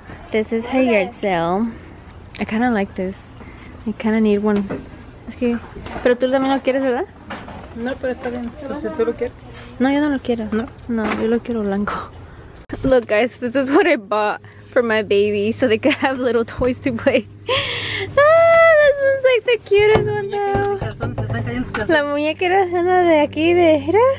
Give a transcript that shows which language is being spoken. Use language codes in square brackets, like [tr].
[en] This is her yard sale. I kind of like this. I kind of need one. [es] Es que, pero tú también lo quieres, ¿verdad? No, pero está bien. Entonces, ¿tú lo quieres? No, yo no lo quiero. No. No, yo lo quiero blanco. [en] Look, guys, this is what I bought for my baby so they could have little toys to play. Ah, this one's like the cutest one though. [es] La muñeca era una de aquí de era.